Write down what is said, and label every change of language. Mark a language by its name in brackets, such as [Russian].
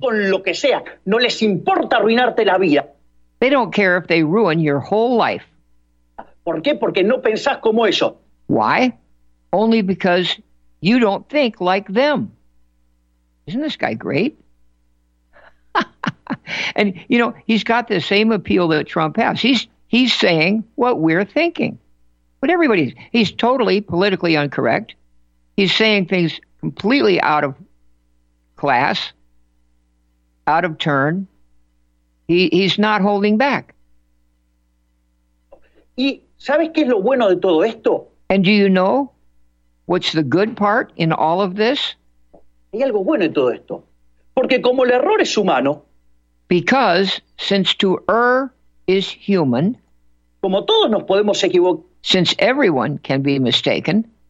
[Spanish] Con lo que sea, no les importa arruinarte la vida. [English] They don't care if they ruin your whole life. [Spanish] ¿Por qué? Porque no pensás como ellos. [English] Why? Only because you don't think like them. Isn't this guy great? And, you know, he's got the same appeal that Trump has. He's saying what we're thinking. But everybody's, he's totally politically incorrect. He's saying things completely out of class, out of turn. He's not holding back. [Spanish] ¿Y sabes qué es lo bueno de todo esto? [English] And do you know what's the good part in all of this? [Spanish] Hay algo bueno en todo esto. Porque como el error es humano... [English] Because since to err is human, [Spanish] como todos nos podemos equivocar, [English] since everyone can be mistaken,